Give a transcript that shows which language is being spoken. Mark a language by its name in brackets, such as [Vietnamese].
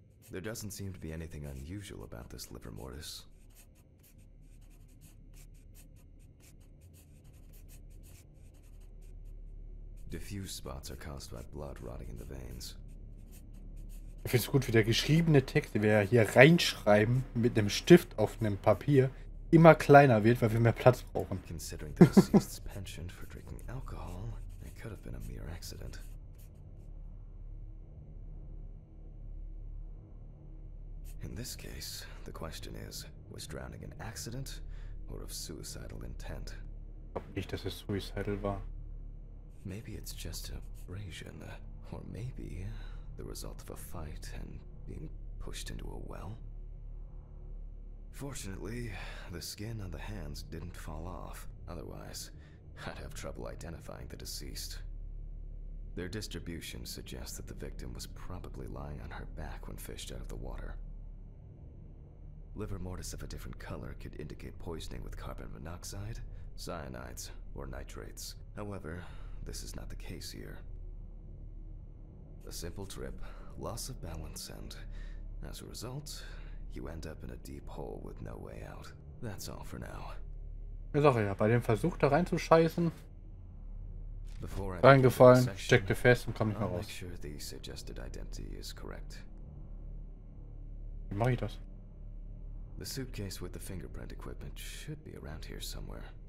[English] There doesn't seem to be anything unusual about this liver mortis. Diffuse spots are caused by blood rotting in the veins. [German] Ich finde es gut, wie der geschriebene Text, den wir hier reinschreiben, mit einem Stift auf einem Papier, immer kleiner wird, weil wir mehr Platz brauchen. [English] Considering the deceased's penchant for drinking alcohol, it could have been a mere accident. In this case, the question is, was drowning an accident or of suicidal intent? [German] Nicht, dass es suicidal war. [English] Maybe it's just an abrasion, or maybe the result of a fight and being pushed into a well. Fortunately, the skin on the hands didn't fall off. Otherwise, I'd have trouble identifying the deceased. Their distribution suggests that the victim was probably lying on her back when fished out of the water. Liver mortis of a different color could indicate poisoning with carbon monoxide, cyanides, or nitrates. However, this is not the case here. A simple trip, loss of balance, and as a result, you end up in a deep hole with no way out. That's all for now. [German] Sache, ja, bei dem Versuch da reinzuscheißen, reingefallen, steckte fest und kam nicht mehr raus. [English] Make sure the suggested identity is correct. [German] Wie mache ich das? [English] The suitcase with the fingerprint equipment should be around here somewhere.